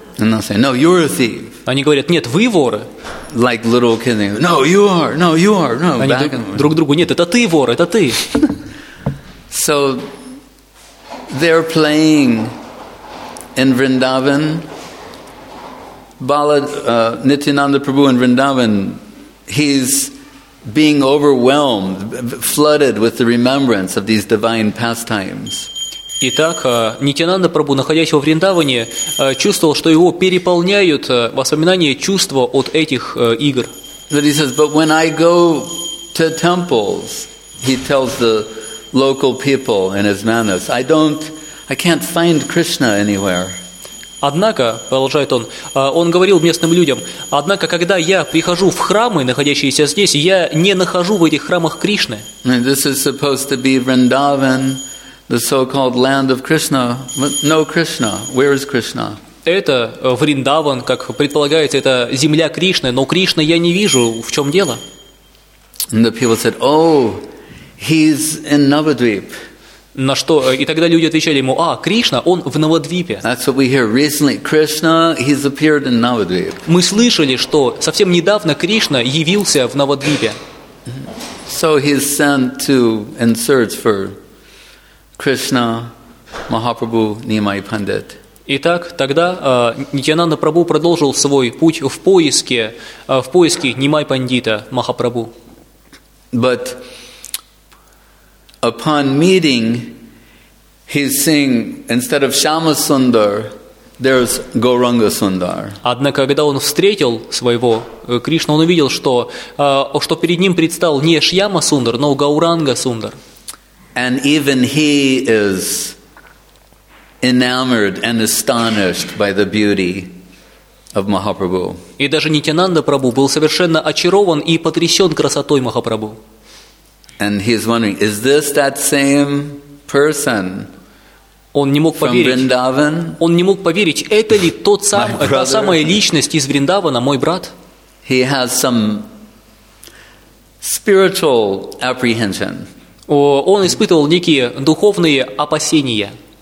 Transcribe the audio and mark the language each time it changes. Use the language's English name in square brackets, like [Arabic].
[English] And they'll say, no, you're a thief. [Russian] Они говорят: «Нет, вы воры!» [English] Like little kids, no, you are, no, you are, no. [Russian] Они друг другу: «Нет, это ты вор, это ты!» [English] So they're playing in Vrindavan. Nityananda Prabhu in Vrindavan, he's being overwhelmed, flooded with the remembrance of these divine pastimes. [Russian] Итак, Нитянанда Прабху, находясь во Вриндаване, чувствовал, что его переполняют воспоминания, чувства от этих игр. [English] But he says, but when I go to temples, he tells the local people in his manas, I can't find Krishna anywhere. [Russian] Однако, продолжает он говорил местным людям: однако, когда я прихожу в храмы, находящиеся здесь, я не нахожу в этих храмах Кришны. [English] This is supposed to be Vrindavan, the so-called land of Krishna. No Krishna. Where is Krishna? [Russian] Это Вриндаван, как предполагается, это земля Кришны, но Кришны я не вижу. В чем дело? [English] And the people said, oh, he's in Navadvip. [Russian] На что, и тогда люди отвечали ему: а, Кришна, он в Навадвипе. [English] That's what we hear recently. Krishna, he's appeared in Navadvip. [Russian] Мы слышали, что совсем недавно Кришна явился в Навадвипе. [English] So he's sent to in search for Krishna, Mahaprabhu, Nimai Pandit. [Russian] Итак, тогда Нитянанда Прабху продолжил свой путь в поиске Нимай Пандита, Махапрабху. [English] But upon meeting, he's seeing, instead of Shama Sundar, there's Gauranga Sundar. [Russian] Однако, когда он встретил своего Кришну, он увидел, что перед ним предстал не Шьяма Сундар, но Гауранга Сундар. [English] And even he is enamored and astonished by the beauty of Mahaprabhu. [Russian] И даже Нитянанда Прабху был совершенно очарован и потрясен красотой Махапрабху. [English] And he's wondering, is this that same person from Vrindavan? [Russian] Он не мог поверить, это ли тот самый, та самая личность из Вриндавана, мой брат? [English] He has some spiritual apprehension. [Russian] Он испытывал некие духовные опасения.